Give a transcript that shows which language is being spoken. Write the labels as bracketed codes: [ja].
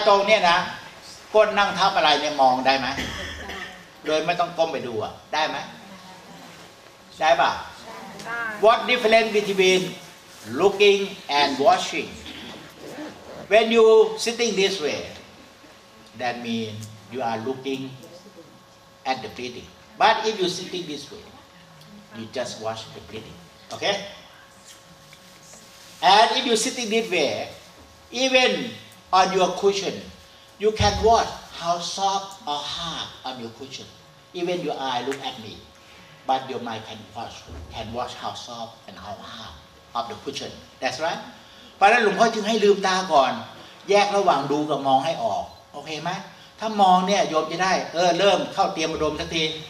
[th] นี่ยนะก้นนั่งทับอะไรเนี่ยมองได้ไหม โดยไม่ต้องก้มไปดูอ่ะได้ไหม ได้ป่ะ [en] What difference between looking and watchingWhen you sitting this way, that means you are looking at the breathing. But if you sitting this way, you just watch the breathing. Okay? And if you sitting this way, even on your cushion, you can watch how soft or hard on your cushion. Even your eye look at me, but your mind can watch how soft and how hard of the cushion. That's right. [th] เพราะนั้นหลวงพ่อจึงให้ลืมตาก่อนแยกระหว่างดูกับมองให้ออกโอเคไหมถ้ามองเนี่ยโยมจะได้เริ่มเข้าเตรียมอารมณ์สักที